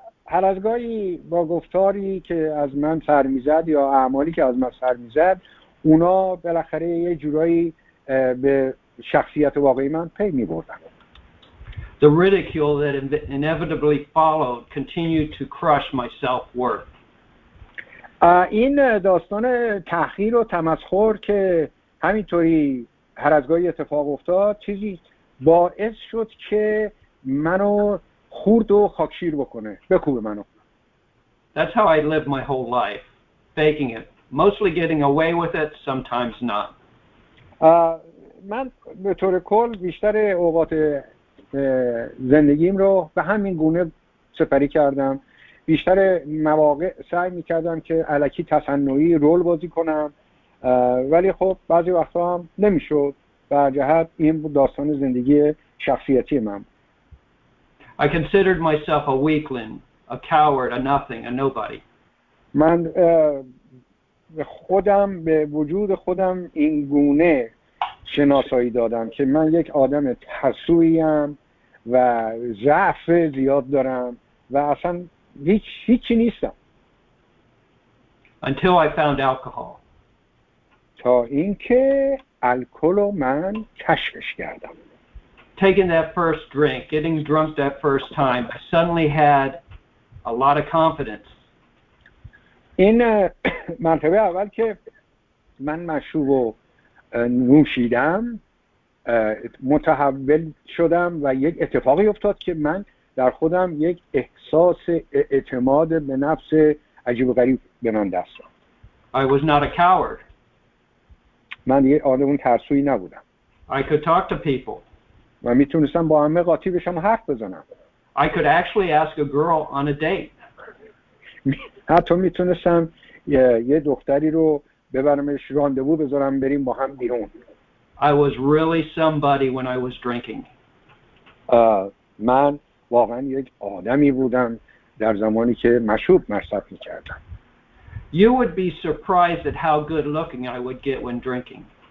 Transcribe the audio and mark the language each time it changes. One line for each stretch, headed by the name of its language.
Persian: هر از گاهی با گفتاری که از من سر میزد یا اعمالی که از من سر میزد اونا بالاخره یه جورایی به شخصیت واقعی من پی میبردن.
English: The ridicule that inevitably followed continued to crush my self-worth.
Persian: این داستان تحقیر و تمسخر که همینطوری هر از گاهی اتفاق افتاد چیزی باعث شد که منو خورد و خاکشیر بکنه، بکوبه منو.
English: That's how I lived my whole life, faking it, mostly getting away with it, sometimes not.
Persian: من به طور کل بیشتر اوقات زندگیم رو به همین گونه سپری کردم. بیشتر مواقع سعی میکردم که الکی تصنعی رول بازی کنم، ولی خب بعضی وقتا هم نمیشد. در جهت این داستان زندگی شخصیتی من.
English: I considered myself a weakling, a coward, a nothing, a nobody.
Persian: من به خودم، به وجود خودم این گونه شناسایی دادم که من یک آدم ترسویم و ضعف زیاد دارم و اصلا هیچی نیستم.
English: Until I found alcohol.
Persian: تا اینکه الکلو من کشفش کردم.
English: Taking that first drink, getting drunk that first time, I suddenly had a lot of confidence.
Persian: این مرتبه اول که من مشروب نوشیدم، متحول شدم و یک اتفاقی افتاد که من در خودم یک احساس اعتماد به نفس عجیب و غریب به من دست داد.
English: I was not a coward.
Persian: من یک آدم ترسویی نبودم.
English: I could talk to people.
Persian: و میتونستم با همه قاطی بشم و حرف بزنم.
English: I could actually ask a girl on a date.
Persian: حتی میتونستم یه دختری رو ببرمش راندوو بذارم بریم با هم بیرون.
English: I was really somebody when I was drinking.
Persian: من واقعا یک آدمی بودم در زمانی که مشروب مصرف میکردم.
English: You would be surprised at how good looking I would get when drinking.